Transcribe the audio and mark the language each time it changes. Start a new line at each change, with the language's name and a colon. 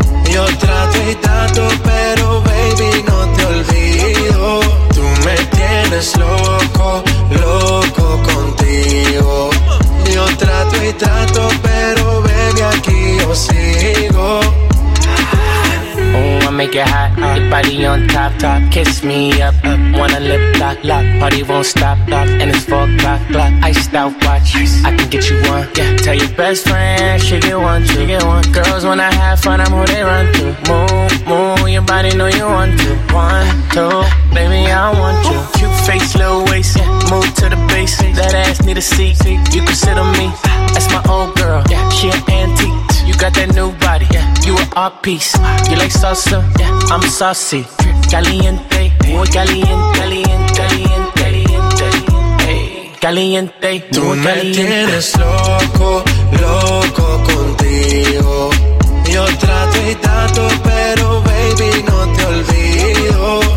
Spanish: Yo trato y trato, pero baby, no te olvido. Tú me tienes loco, loco contigo. Yo trato y trato, pero baby, aquí yo sigo.
English: Ooh, I make it hot, your body on top, top. Kiss me up, up. Wanna lip lock, lock. Party won't stop, stop. And it's 4 o'clock, clock. Iced out watch, ice. I can get you one, yeah. Tell your best friend, she get one, she get one. Girls wanna have fun, I'm who they run to. Move, move, your body know you want to. One, two, baby, I want you. Cute face, little waist, yeah. Move to the bass, that ass need a seat. You can sit on me, that's my old girl, yeah. She an antique. You got that new body, yeah. You an art piece. You like salsa, yeah. I'm saucy.
Spanish: Caliente, muy caliente, caliente, caliente, caliente, caliente. Tú me tienes loco, loco contigo. Yo trato y trato, pero baby, no te olvido.